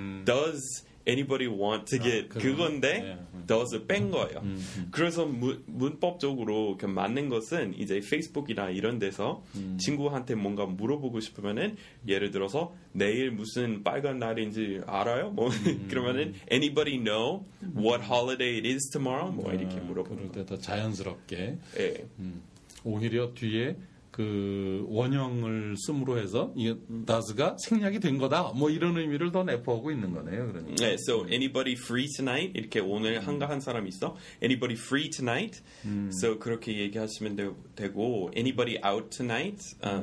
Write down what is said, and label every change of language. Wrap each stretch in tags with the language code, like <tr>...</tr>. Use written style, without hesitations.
<en>Does anybody want to get</en> <ko>그건데 does을 뺀 거예요. 그래서 문법적으로 그 맞는 것은 이제 페이스북이나 이런 데서 친구한테 뭔가 물어보고 싶으면은 예를 들어서 내일 무슨 빨간 날인지 알아요? 뭐 그러면은</ko> <en>anybody know what holiday it is tomorrow?</en> <ko>뭐 이렇게 물어보는 그럴 때 더 자연스럽게 예. 오히려 뒤에 그 원형을 씀으로 해서 이게 does가 생략이 된 거다 뭐 이런 의미를 더 내포하고 있는 거네요. 그러니까.</ko> <en>네, so anybody free tonight?</en> <ko>이렇게 오늘 한가한 사람 있어?</ko> <en>Anybody free tonight? So</en> <ko>그렇게 얘기하시면 되고</ko> <en>anybody out tonight?</en>